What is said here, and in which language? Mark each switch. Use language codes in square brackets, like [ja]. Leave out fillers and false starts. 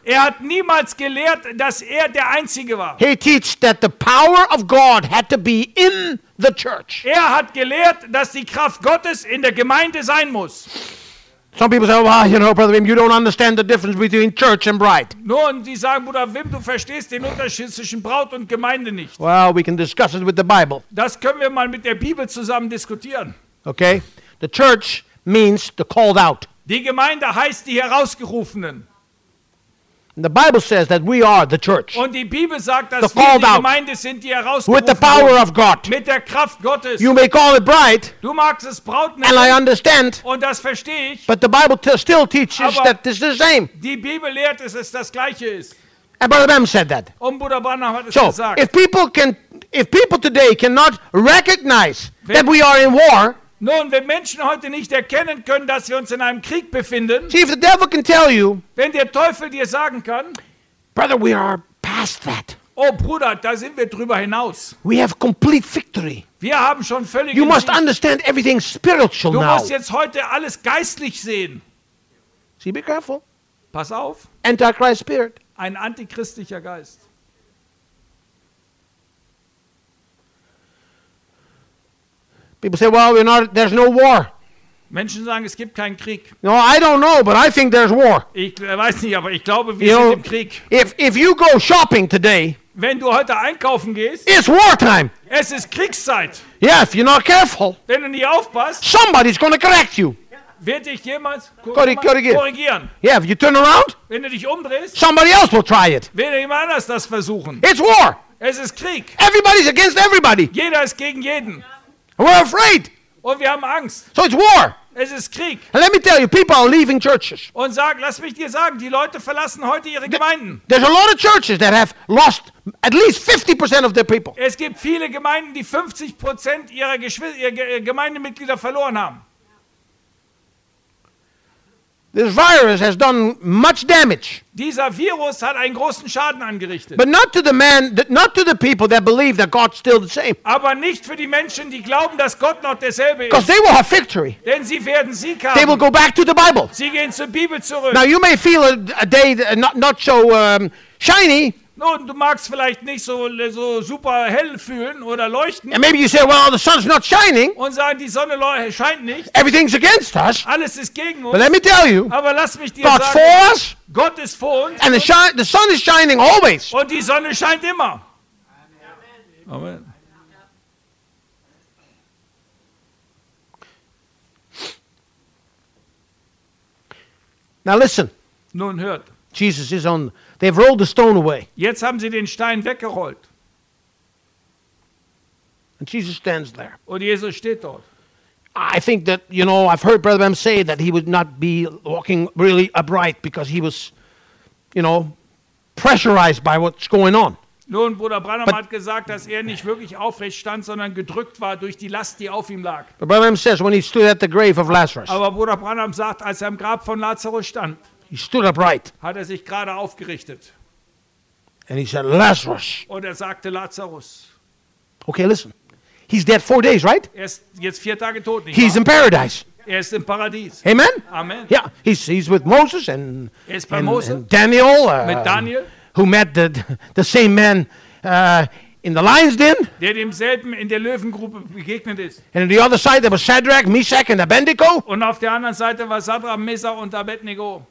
[de] Er hat niemals gelehrt, dass der Einzige war. [en] He taught that the power of God had to be in the church. [de] Er hat gelehrt, dass die Kraft Gottes in der Gemeinde sein muss. [en] Some people say, well, you know, Brother Wim, you don't understand the difference between church and bride. [de] Nun, sie sagen, Bruder Wim, du verstehst den Unterschied zwischen Braut und Gemeinde nicht. [en] Well, we can discuss it with the Bible. [de] Das können wir mal mit der Bibel zusammen diskutieren. [en] Okay, the church means the called out. [de] Die Gemeinde heißt die Herausgerufenen. [en] The Bible says that we are the church. [de] Und die Bibel sagt, dass wir die Gemeinde sind, die herausgerufen [en] with the power of God. [de] Mit der Kraft Gottes. [en] You may call it bride. [de] Du magst es Braut nennen. [en] And I understand. [de] Und das verstehe ich. [en] But the Bible still teaches that this is the same. [de] Die Bibel lehrt, dass es das gleiche ist. [en] And Brother Bam said that. [de] Und Bruder Branham hat es so gesagt. [en] If people can, if people today cannot recognize that we are in war. [de] Nun, wenn Menschen heute nicht erkennen können, dass wir uns in einem Krieg befinden, [en] see, if the devil can tell you, [de] wenn der Teufel dir sagen kann, [en] Brother, we are past that. [de] Oh Bruder, da sind wir drüber hinaus. [en] We have complete victory. [de] Wir haben schon völlig. [en] You must understand everything spiritual [de] du [en] now. [de] Du musst jetzt heute alles geistlich sehen. [en] See, be careful. [de] Pass auf. [en] Antichrist spirit. [de] Ein antichristlicher Geist. [en] People say, "Well, we're not. There's no war." [de] Menschen sagen, es gibt keinen Krieg. [en] No, I don't know, but I think there's war. [de] Ich weiß nicht, aber ich glaube, wir sind im Krieg. [en] If you go shopping today, [de] wenn du heute einkaufen gehst, [en] it's war time. [de] Es ist Kriegszeit. [en] Yeah, if you're not careful, [de] wenn du nicht aufpasst, [en] somebody's going to correct you. [de] Wird dich jemals korrigieren? [en] Yeah, if you turn around, [de] wenn du dich umdrehst, [en] somebody else will try it. [de] Wird jemand anders das versuchen? [en] It's war. [de] Es ist Krieg. [en] Everybody's against everybody. [de] Jeder ist gegen jeden. [en] We're afraid. [de] Und wir haben Angst. [en] So it's war. [de] Es ist Krieg. [en] And let me tell you, people are leaving churches. [de] Und sag, lass mich dir sagen, die Leute verlassen heute ihre Gemeinden. [en] There's a lot of churches that have lost at least 50% of their people. [de] Es gibt viele Gemeinden, die 50% ihrer Gemeindemitglieder verloren haben. [en] This virus has done much damage. [de] Dieser Virus hat einen großen Schaden angerichtet. [en] But not to the man, not to the people that believe that God's still the same. [de] Aber nicht für die Menschen, die glauben, dass Gott noch derselbe ist. [en] Because they will have victory. [de] Denn sie werden Sieg haben. [en] They will go back to the Bible. [de] Sie gehen zur Bibel zurück. [en] Now you may feel a day not so shiny. [de] Nun, du magst vielleicht nicht so super hell fühlen oder leuchten. [en] And maybe you say, well, the sun's not shining. [de] Und sagen, die Sonne scheint nicht. [en] Everything's against us. [de] Alles ist gegen uns. [en] But let me tell you. [de] Aber lass mich dir [en] God's God's for us. [de] Gott ist vor uns. [en] And the sun is shining always. [de] Und die Sonne scheint immer. [en] Amen. Amen. Now listen. [de] Nun hört. [en] Jesus is on. They've rolled the stone away. [de] Jetzt haben sie den Stein weggerollt. [en] And Jesus stands there. [de] Und Jesus steht dort. [en] I think that, you know, I've heard Brother Bam say that he would not be walking really upright because he was, you know, pressurized by what's going on. [de] Nun, Bruder Branham hat gesagt, dass er nicht wirklich aufrecht stand, sondern gedrückt war durch die Last, die auf ihm lag. [en] But Brother Bam says when he stood at the grave of Lazarus. [de] Aber Bruder Branham sagt, als er am Grab von Lazarus stand. [en] He stood upright. [de] Hat er sich gerade aufgerichtet. [en] And he said, Lazarus. [de] Und er sagte, Lazarus. [en] Okay, listen. He's dead 4 days, right? [de] Er ist jetzt 4 Tage tot, nicht wahr? [en] He's in paradise. [de] Er ist im Paradies. [en] Amen? Amen. Yeah, he's with Moses and, [de] er ist bei Moses, [en] and Daniel. [de] Mit Daniel. [en] Who met the same man in the lion's den. [de] Der demselben in der Löwengruppe begegnet ist. [en] And on the other side there was Shadrach, Meshach and Abednego. [de] Und auf der anderen Seite war Shadrach, Meshach und Abednego.